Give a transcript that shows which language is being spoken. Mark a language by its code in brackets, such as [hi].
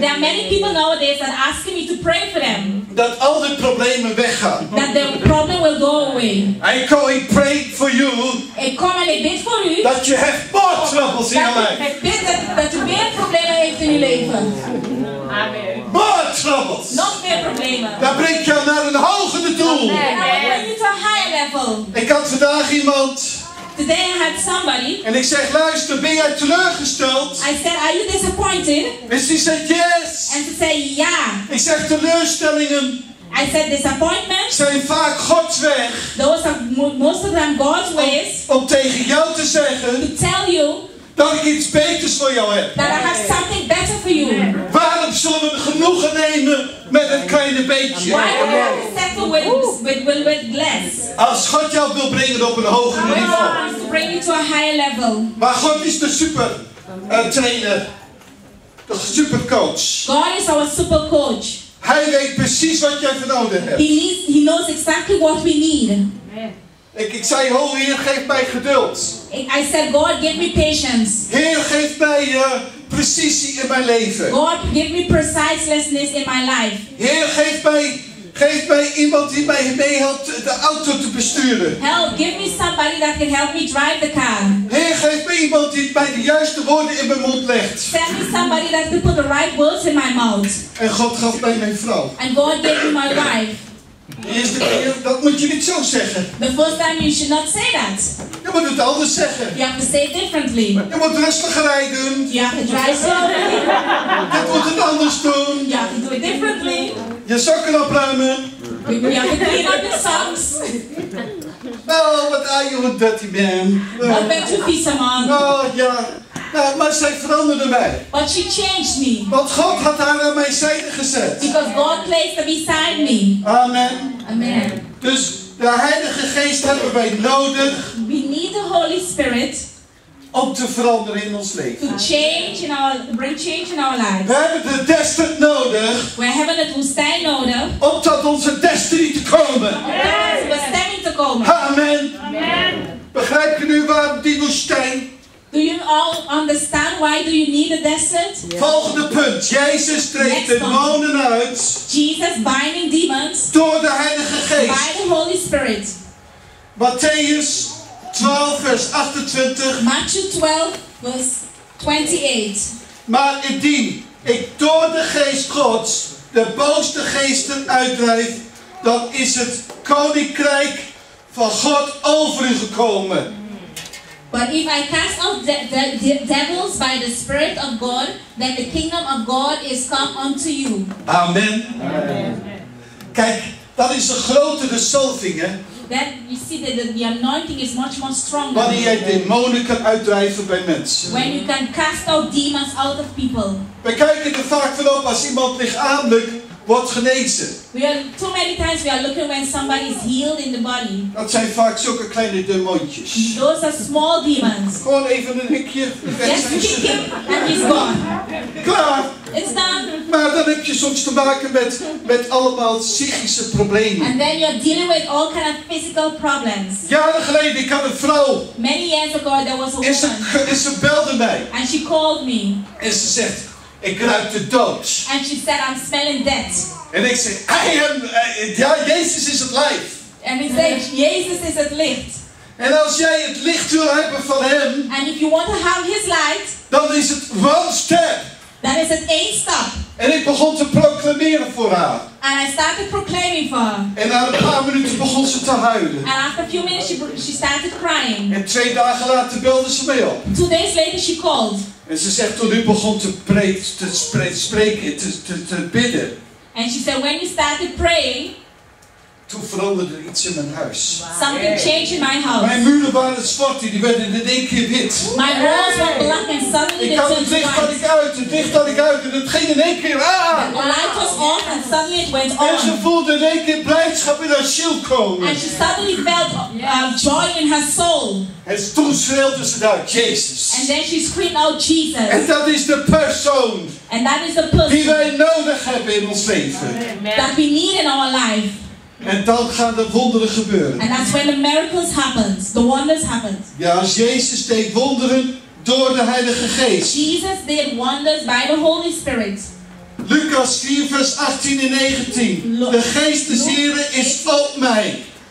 [en] There are many people nowadays that are asking me to pray for them. [nl] Dat al de problemen weggaan. [en] That the problem will go away. I call and pray for you. I come and I bid for you. That you have more troubles in your life. That you [nl] meer problemen heeft in je leven. [en] Amen. More troubles. [nl] Nog meer problemen. Dat brengt jou naar een hogere doel. [en] I bring you to a higher level. [nl] Ik had vandaag iemand. [en] Today I had somebody. [nl] En ik zeg, luister, ben jij teleurgesteld? [en] I said, are you disappointed? And she said, yes. And she said, ja. [nl] Ik zeg, teleurstellingen. [en] I said, disappointment. [nl] Zijn vaak Gods weg. [en] Those are most of them God's ways. [nl] Om tegen jou te zeggen. [en] To tell you. [nl] Dat ik iets beters voor jou heb. [en] That I have something better for you. [nl] Waarom zullen we genoegen nemen met een kleine beetje? [en] Why would we settle with less? [nl] Als God jou wil brengen op een hoger niveau. [en] God wants to bring you to a higher level. [nl] Maar God is de super trainer. De super coach. [en] God is our super coach. [nl] Hij weet precies wat jij voor nodig hebt. [en] He knows exactly what we need. [nl] Ik zei, oh Heer, geef mij geduld. [en] I said, God, give me patience. [nl] Heer, geef mij precisie in mijn leven. [en] God, give me precisiveness in my life. [nl] Heer, geef mij iemand die mij meehelpt de auto te besturen. [en] Help, give me somebody that can help me drive the car. [nl] Heer, geef mij iemand die mij de juiste woorden in mijn mond legt. [en] Send me somebody that can put the right words in my mouth. [nl] En God gaf mij mijn vrouw. [en] And God gave me my wife. [nl] De eerste keer, dat moet je niet zo zeggen. [en] The first time you should not say that. [nl] Je moet het anders zeggen. [en] You have to say it differently. [nl] Je moet rustig rijden. [en] You have to drive slowly. [nl] Je moet het anders doen. [en] You have to do it differently. [nl] Je sokken opruimen. [en] You have to clean up your socks. Oh, what are you, a dirty man? [nl] What bent u vieze man? Oh, ja. Nou, maar zij veranderde mij. [en] But she changed me. [nl] Want God had haar aan mijn zijde gezet. [en] Because God placed her beside me. Amen. Amen. [nl] Dus de Heilige Geest hebben wij nodig. [en] We need the Holy Spirit. [nl] Om te veranderen in ons leven. [en] To change in our, bring change in our lives. [nl] We hebben de destijd nodig. We hebben het woestijn nodig. Om tot onze destiny te komen. Om tot onze bestemming te komen. Amen. Amen. Begrijp je nu waarom die woestijn? [en] Do you all understand why do you need a desert? Yes. [nl] Volgende punt. Jezus trekt demonen uit. [en] Jesus binding demons. [nl] Door de Heilige Geest. [en] By the Holy Spirit. [nl] Matthäus 12 vers 28. [en] Matthew 12 verse 28. [nl] Maar indien ik door de Geest Gods de boze geesten uitdrijf, dan is het koninkrijk van God over u gekomen. [en] But if I cast out the devils by the Spirit of God, then the kingdom of God is come unto you. Amen. Amen. [nl] Kijk, Dan is de grootte de zalving, hè? [en] That you see that the anointing is much more stronger. [nl] Wanneer jij demonen kan uitdrijven bij mensen. [en] When you can cast out demons out of people. [nl] We kijken er vaak van op als iemand lichamelijk wordt genezen. [en] We are too many times we are looking when somebody is healed in the body. [nl] Dat zijn vaak zulke kleine demontjes. [en] Those are small demons. [nl] Gewoon even een hikje. [en] And he's gone. [nl] Klaar. [en] It's done. [nl] Maar dan heb je soms te maken met allemaal psychische problemen. [en] And then you're dealing with all kind of physical problems. [nl] Jaren geleden, ik had een vrouw. [en] Many years ago, there was a woman. [nl] En ze belde mij. [en] And she called me. [nl] En ze zegt, ik ruik de dood. [en] And she said, I'm smelling death. [nl] En ik zeg, [en] I am, [nl] ja, Jezus is het licht. [en] And he said, Jesus is [nl] het licht. En als jij het licht wil hebben van hem. [en] And if you want to have his light. [nl] Dan is het [en] one step. That is an eight step. [nl] En ik begon te proclameren voor haar. [en] And I started proclaiming for her. [nl] En na een paar minuten begon ze te huilen. [en] And after a few minutes she started crying. [nl] En twee dagen later belde ze mij op. [en] 2 days later she called. [nl] En ze zegt toen u begon te spreken, te bidden. [en] And she said when you started praying. [nl] Toen veranderde er iets in mijn huis. [en] Wow. Something changed in my house. [nl] Mijn muren waren zwart, die werden in één keer wit. [en] My walls were black and suddenly they turned white. [nl] Het licht had ik uit en het ging in één keer aan. [en] The light was off and suddenly it went on. [nl] En ze voelde in één keer blijdschap in haar ziel komen. [en] And she suddenly felt joy in her soul. [nl] En toen schreeuwde ze daar, Jesus. [en] And then she screamed out Jesus. [nl] En dat is de persoon. [en] And that is the person. [nl] Die wij nodig hebben in ons leven. [en] Amen. That we need in our life. [nl] En dan gaan de wonderen gebeuren. [en] And that's when the miracles happens, the wonders happens. [nl] Ja, als Jezus deed wonderen door de Heilige Geest. [en] Jesus did wonders by the Holy Spirit. [nl] Lucas 4 vers 18 en 19. De Geest des Heren is op mij.